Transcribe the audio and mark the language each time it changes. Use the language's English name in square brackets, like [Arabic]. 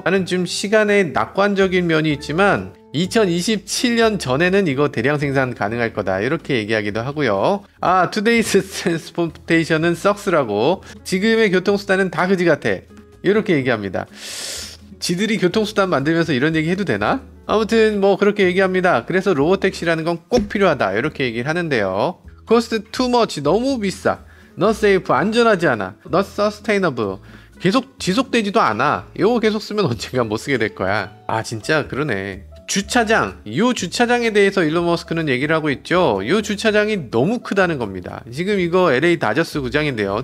[Korean] 나는 지금 시간에 낙관적인 면이 있지만 2027년 전에는 이거 대량 생산 가능할 거다 이렇게 얘기하기도 하고요. 아, [English] Today's Transportation은 Sucks [Korean] 라고 지금의 교통수단은 다 그지 같아 이렇게 얘기합니다. 지들이 교통수단 만들면서 이런 얘기 해도 되나? 아무튼 뭐 그렇게 얘기합니다. 그래서 로봇택시라는 건 꼭 필요하다 이렇게 얘기를 하는데요. [English] Cost too much, [Korean] 너무 비싸. [English] Not safe, [Korean] 안전하지 않아. [English] Not sustainable, [Korean] 계속 지속되지도 않아. 이거 계속 쓰면 언젠가 못 쓰게 될 거야. 아, 진짜 그러네. 주차장, 요 주차장에 대해서 일론 머스크는 얘기를 하고 있죠. 요 주차장이 너무 크다는 겁니다. 지금 이거 LA 다저스 구장인데요.